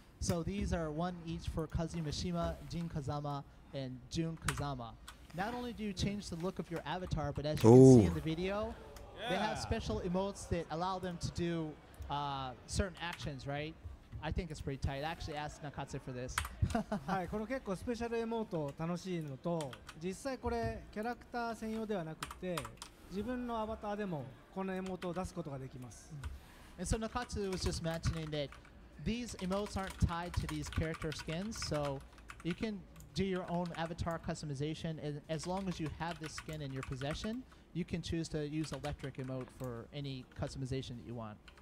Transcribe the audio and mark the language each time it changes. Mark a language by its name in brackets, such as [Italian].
[English] So these are one each for Kazumashima, Jin Kazama, and Jun Kazama. Not only do you change the look of your avatar, but as you can see in the video, they have special emotes that allow them to do certain actions, right? I think it's pretty tight. I actually asked Nakatsu for this. [Japanese] はい、この結構スペシャルエモート楽しいのと、実際これキャラクター専用ではなくて、自分のアバターでもこのエモートを出すことができます。 [English] And so Nakatsu was just mentioning that these emotes aren't tied to these character skins, so you can do your own avatar customization, and as long as you have this skin in your possession, you can choose to use electric emote for any customization that you want.